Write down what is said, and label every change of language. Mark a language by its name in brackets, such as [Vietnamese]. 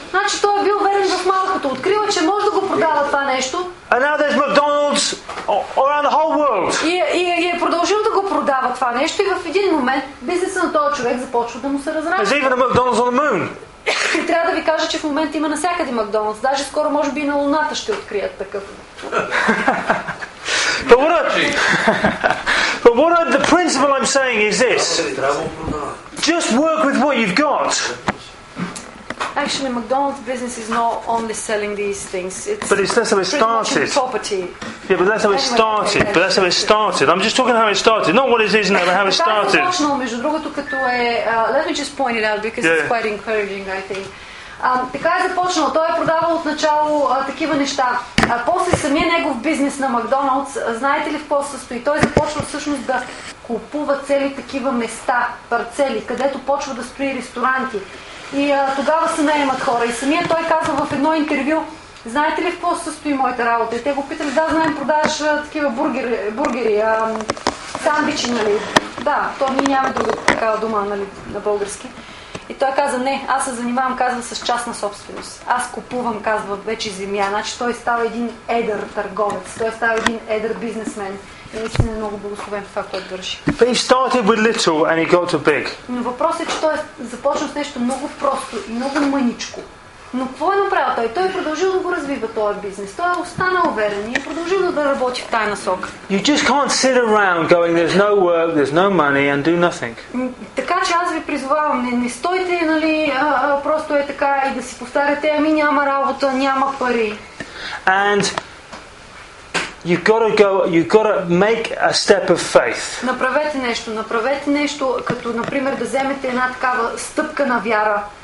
[Bulgarian] Значи той е бил верен в малкото. Открива, че може да го продава това нещо. [English] And now there's McDonald's around the whole world. [Bulgarian] И е продължил да го продава това нещо и в един момент бизнесът на този човек започва да му се разраства. [English] There's even a McDonald's on the moon. [Bulgarian] И трябва да ви кажа, че в момента има навсякъде Макдоналдс. Даже скоро може би и на Луната ще открият такъв. [English] But what the principle I'm saying is this. Just work with what you've got. Actually, McDonald's business is not only selling these things. It's but it's that's how it started. Property. Yeah, but that's how it started. But that's how it started. I'm just talking how it started. Not what it is now, but how it started. Let me just point it out because it's quite encouraging, I think. [Bulgarian] Така е започнал. Той е продавал отначало такива неща. После самия негов бизнес на Макдоналдс, знаете ли в какво състои? Той започва всъщност да купува цели такива места, парцели, където почва да строи ресторанти. И тогава се наемат хора. И самия той казва в едно интервю, знаете ли в какво състои моята работа? И те го питали, да, знаем, продаваш такива бургери, сандвичи, нали? Да, то ние нямаме друга такава дума, нали, на български. И той каза, не, аз се занимавам, казва, с частна собственост. Аз купувам, казва, вече земя. Значи той става един едър търговец. Той става един едър бизнесмен. И наистина е много благословен в това, което върши. [English] But he started with little and he got to big. [Bulgarian] Но въпросът е, че той започна с нещо много просто и много мъничко. Но какво е направил той? Той е продължил да го развива този бизнес. Той е останал верен и е продължил да работи в тая насока. [English] You just can't sit around going, there's no work, there's no money and do nothing. [Bulgarian] Така че аз ви призовавам, не стойте, нали, просто е така и да си повтаряте, ами няма работа, няма пари. [English] And you've got to make a step of faith. [Bulgarian] Направете нещо, като например да вземете една такава стъпка на вяра.